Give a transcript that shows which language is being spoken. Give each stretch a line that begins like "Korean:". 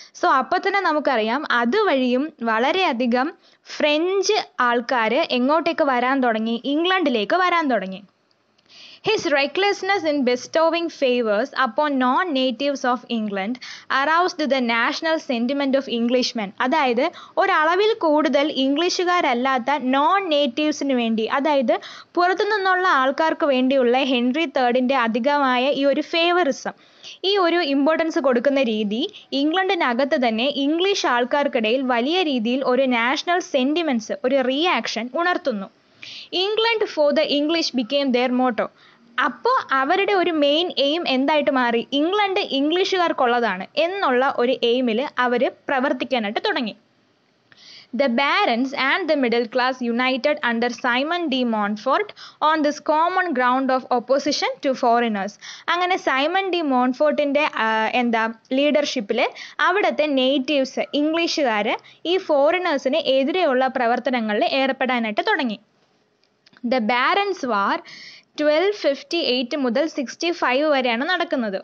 Malayalam: So അപ്പോൾ തന്നെ നമുക്കറിയാം അതുവഴിയും വളരെയധികം ഫ്രഞ്ച് ആൾക്കാർ എങ്ങോട്ടേക്ക് വരാൻ തുടങ്ങി, ഇംഗ്ലണ്ടിലേക്ക് വരാൻ തുടങ്ങി.
English: His recklessness in bestowing favors upon non-natives of England aroused the national sentiment of Englishmen.
Malayalam: അതായത് ഒരളവിൽ കൂടുതൽ ഇംഗ്ലീഷുകാരല്ലാത്ത നോൺ നേറ്റീവ്സിന് വേണ്ടി, അതായത് പുറത്തുനിന്നുള്ള ആൾക്കാർക്ക് വേണ്ടിയുള്ള ഹെൻറി തേർഡിൻ്റെ അധികമായ ഈ ഒരു ഫേവറിസം, ഈ ഒരു ഇമ്പോർട്ടൻസ് കൊടുക്കുന്ന രീതി ഇംഗ്ലണ്ടിനകത്ത് തന്നെ ഇംഗ്ലീഷ് ആൾക്കാർക്കിടയിൽ വലിയ രീതിയിൽ ഒരു നാഷണൽ സെൻറ്റിമെൻറ്റ്സ്, ഒരു റിയാക്ഷൻ ഉണർത്തുന്നു.
English: England for the English became their motto.
Malayalam: അപ്പോൾ അവരുടെ ഒരു മെയിൻ എയിം എന്തായിട്ട് മാറി? ഇംഗ്ലണ്ട് ഇംഗ്ലീഷുകാർക്കുള്ളതാണ് എന്നുള്ള ഒരു എയിമിൽ അവർ പ്രവർത്തിക്കാനായിട്ട് തുടങ്ങി.
English: The barons and the middle class united under Simon de Montfort on this common ground of opposition to foreigners.
Malayalam: അങ്ങനെ സൈമൺ ഡി മോൺഫോർട്ടിൻ്റെ എന്താ ലീഡർഷിപ്പിൽ അവിടുത്തെ നേറ്റീവ്സ് ഇംഗ്ലീഷുകാർ ഈ ഫോറിനേഴ്സിന് എതിരെയുള്ള പ്രവർത്തനങ്ങളിൽ ഏർപ്പെടാനായിട്ട് തുടങ്ങി. ദ ബാരൻസ് വാർ 1258 മുതൽ 65 വരെയാണ് നടക്കുന്നത്.